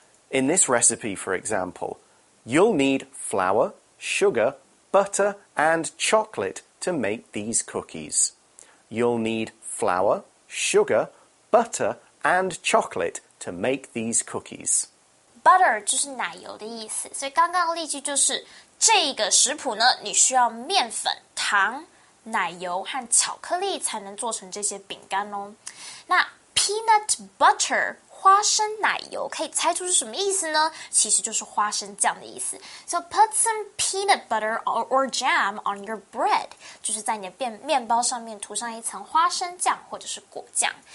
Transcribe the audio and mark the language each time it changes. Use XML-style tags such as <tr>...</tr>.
<en>In this recipe, for example, you'll need flour, sugar, butter, and chocolate to make these cookies. You'll need flour, sugar, butter, and chocolate to make these cookies.</en> <zh>Butter 就是奶油的意思，所以刚刚的例句就是这个食谱呢，你需要面粉、糖、奶油和巧克力才能做成这些饼干哦。</zh> <en>那 peanut butter.</en> <zh>花生奶油可以猜出是什么意思呢？其实就是花生酱的意思。</zh> <en>So put some peanut butter or jam on your bread.</en> <zh>就是在你的面包上面涂上一层花生酱或者是果酱。</zh>